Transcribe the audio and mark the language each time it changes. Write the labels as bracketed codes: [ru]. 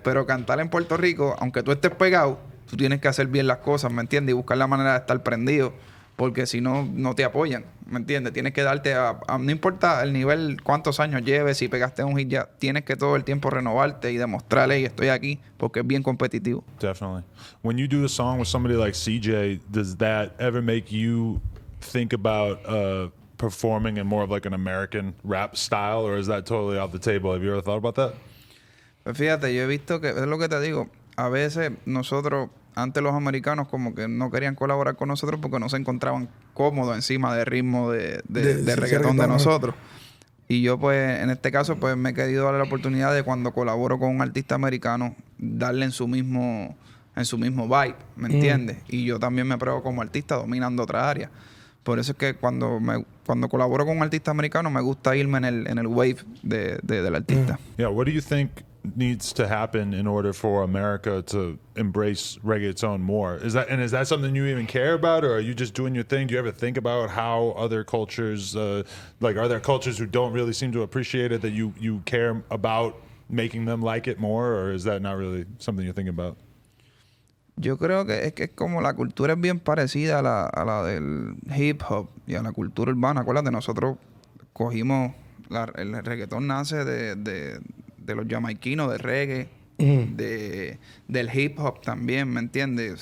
[es] Pero cantar en Puerto Rico, aunque tú estés pegado, tú tienes que hacer bien las cosas, ¿me entiendes? Y buscar la manera de estar prendido. Porque si no, no te apoyan, ¿me entiendes? Tienes que darte a no importa el nivel, cuántos años lleves, si pegaste un hit ya, tienes que todo el tiempo renovarte y demostrarle, y estoy aquí, porque es bien competitivo. [en] Definitely. When you do a song with somebody like CJ, does that ever make you think about performing in more of like an American rap style, or is that totally off the table? Have you ever thought about that? [es] Pues fíjate, yo he visto que, es lo que te digo, a veces nosotros... Antes los americanos como que no querían colaborar con nosotros porque no se encontraban cómodos encima del ritmo de reggaetón de nosotros. Y yo, pues, en este caso, pues, me he querido dar la oportunidad de cuando colaboro con un artista americano, darle en su mismo vibe, ¿me entiendes? Y yo también me pruebo como artista dominando otra área. Por eso es que cuando colaboro con un artista americano, me gusta irme en el wave del artista. [en] Yeah, what do you think needs to happen in order for America to embrace reggaeton more? Is that something you even care about, or are you just doing your thing? Do you ever think about how other cultures, like, are there cultures who don't really seem to appreciate it that you care about making them like it more, or is that not really something you're thinking about? [es] Yo creo que es como la cultura es bien parecida a la del hip hop y a la cultura urbana. Acuérdate, nosotros cogimos el reggaeton nace de los jamaiquinos, de reggae, del hip hop también, ¿me entiendes?